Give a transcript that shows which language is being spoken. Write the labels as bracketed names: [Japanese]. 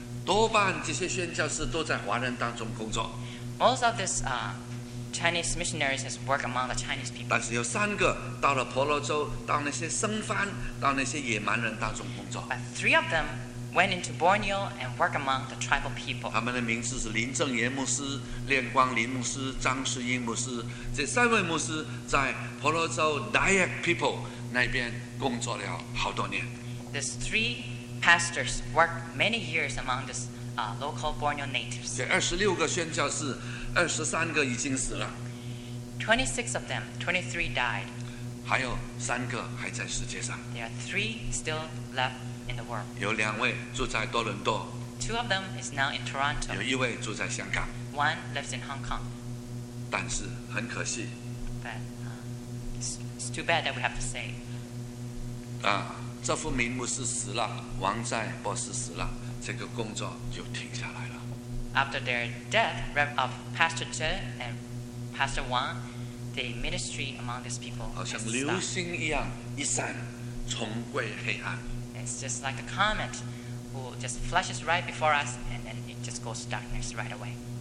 [Chinese] 多半这些宣教士都在华人当中工作. [English] Most of these Chinese missionaries has worked among the Chinese people. [Chinese] 但是有三个到了婆罗洲，到那些生番，到那些野蛮人当中工作. [English] But three of them went into Borneo and worked among the tribal people. [Chinese] 他们的名字是林正炎牧师、炼光林牧师、张世英牧师，这三位牧师在婆罗洲 Dayak people 那边工作了好多年. [English] These three pastors worked many years among this local Borneo natives. [Chinese] 这26个宣教士, 23个已经死了. [English] 26 of them, 23 died. [Chinese] 还有三个还在世界上. [English] There are three still left in the world. [Chinese] 有两位住在多伦多. [English] Two of them is now in Toronto. [Chinese] 有一位住在香港. [English] One lives in Hong Kong. [Chinese] 但是很可惜. [English] But it's too bad that we have to say. [Chinese] 这副名牧师死了，王在博士死了，这个工作就停下来了. [English] After their death, of Pastor Che and Pastor Wang, the ministry among these people has stopped. [Chinese] 好像流星一样，一闪，重归黑暗. [English] It's just like a comet who just flashes right before us and then it just goes to darkness right away.